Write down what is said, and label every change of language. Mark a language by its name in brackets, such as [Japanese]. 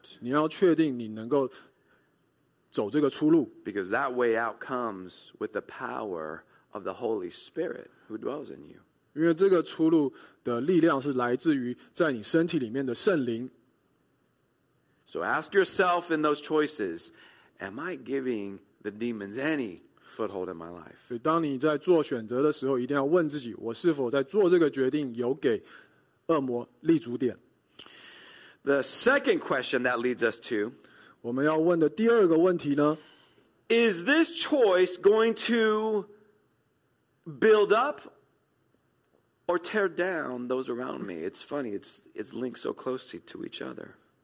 [Chinese] 你要确定你能够走这个出路。 [English] Because that way out comes with the power of the Holy Spirit who dwells in you. [Chinese] 因为这个出路的力量是来自于在你身体里面的圣灵。 [English] So ask yourself in those choices, am I giving the demons any foothold in my life? [Chinese] 当你在做选择的时候, 一定要问自己, 我是否在做这个决定有给恶魔立足点? [English] The second question that leads us to, [Chinese] 我们要问的第二个问题呢, [English] is this choice going to build up or tear down those around me? It's funny, it's linked so closely to each other.